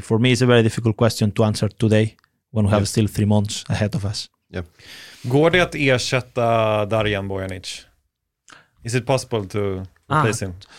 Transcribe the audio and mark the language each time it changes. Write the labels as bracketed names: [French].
[English] For me, it's a very difficult question to answer today when we have still 3 months ahead of us. Yeah. [Swedish] Går det att ersätta Darijan Bojanic? [English] Is it possible to replace him?